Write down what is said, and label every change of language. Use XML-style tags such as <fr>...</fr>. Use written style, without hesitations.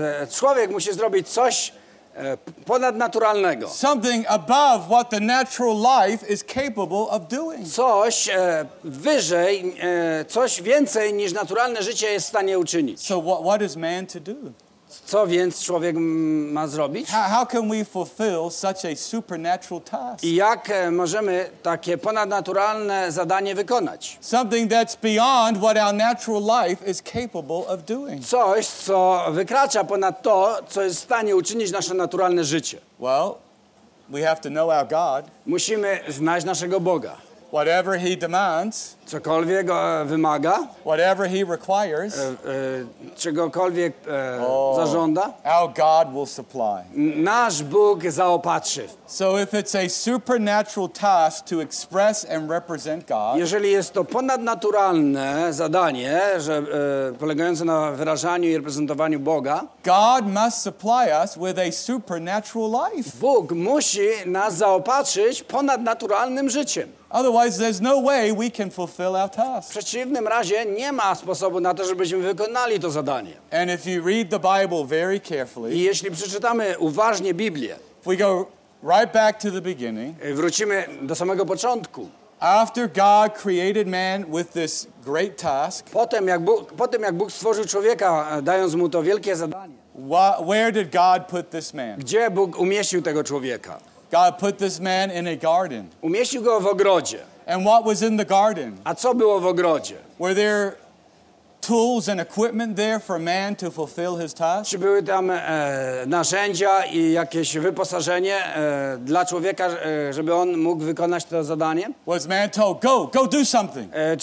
<pl>Człowiek musi zrobić coś ponadnaturalnego.</pl> <en>Something above what the natural life is capable of doing.</en> <pl>Coś wyżej, coś więcej niż naturalne życie jest w stanie uczynić.</pl> <en>So what is man to do?</en> <pl>Co więc człowiek ma zrobić?</pl> <en>How can we fulfill such a supernatural task?</en> <pl>I jak możemy takie ponadnaturalne zadanie wykonać?</pl> <en>Something that's beyond what our natural life is capable of doing.</en> <pl>Coś, co wykracza ponad to, co jest w stanie uczynić nasze naturalne życie.</pl> <en>Well, we have to know our God.</en> <pl>Musimy znać naszego Boga.</pl> <en>Whatever he demands,</en> <pl>cokolwiek wymaga,</pl> <en>whatever he requires,</en> <pl>czegokolwiek zażąda,</pl> <en>our God will supply.</en> <pl>Nasz Bóg zaopatrzy.</pl> <en>So if it's a supernatural task to express and represent God,</en> <pl>jeżeli jest to ponadnaturalne zadanie, że polegające na wyrażaniu i reprezentowaniu Boga,</pl> <en>God must supply us with a supernatural life.</en> <pl>Bóg musi nas zaopatrzyć ponadnaturalnym życiem.</pl> <en>Otherwise, there's no way we can fulfill our task.</en> <pl>W przeciwnym razie nie ma sposobu na to, żebyśmy wykonali to zadanie.</pl> <en>And if you read the Bible very carefully,</en> <pl>i jeśli przeczytamy uważnie Biblię,</pl> <en>if we go right back to the beginning,</en> <pl>wrócimy do samego początku.</pl> <en>After God created man with this great task,</en> <pl>potem jak Bóg stworzył człowieka, dając mu to wielkie zadanie,</pl> <en>where did God put this man?</en> <pl>Gdzie Bóg umieścił tego człowieka?</pl> <en>God put this man in a garden.</en> <pl>Umieścił go w ogrodzie.</pl> <en>And what was in the garden?</en> <pl>A co było w ogrodzie?</pl> <en>Were there tools and equipment there for man to fulfill his task?</en> <pl>Czy były tam narzędzia i jakieś wyposażenie dla człowieka, żeby on mógł wykonać to zadanie?</pl> <en>Was man told, go do something.</en>